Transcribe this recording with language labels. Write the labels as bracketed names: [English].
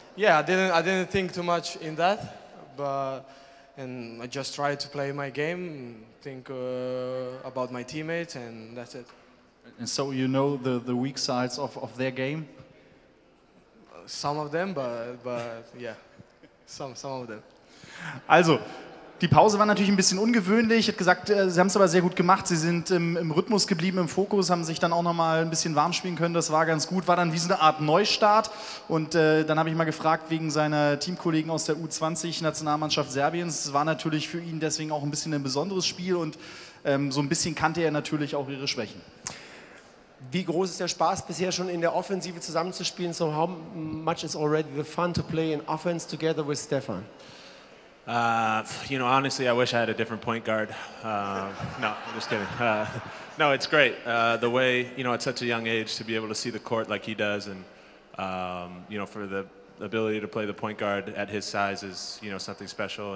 [English] Yeah, I didn't think too much in that, but I just tried to play my game, think about my teammates, and that's it. And so you know the weak sides of their game. Some of them, but yeah, some of them. [German] Also, die Pause war natürlich ein bisschen ungewöhnlich. Ich hätte gesagt, sie haben es aber sehr gut gemacht. Sie sind im Rhythmus geblieben, im Fokus, haben sich dann auch nochmal ein bisschen warm spielen können. Das war ganz gut. War dann wie so eine Art Neustart. Und dann habe ich mal gefragt wegen seiner Teamkollegen aus der U20-Nationalmannschaft Serbiens. Es war natürlich für ihn deswegen auch ein bisschen ein besonderes Spiel. Und so ein bisschen kannte er natürlich auch ihre Schwächen. Wie groß ist der Spaß bisher schon in der Offensive zusammenzuspielen? [English] So how much is already the fun to play in offense together with Stefan? You know, honestly, I wish I had a different point guard. No, I'm just kidding. No, it's great. The way, you know, at such a young age to be able to see the court like he does and, you know, for the ability to play the point guard at his size is, you know, something special.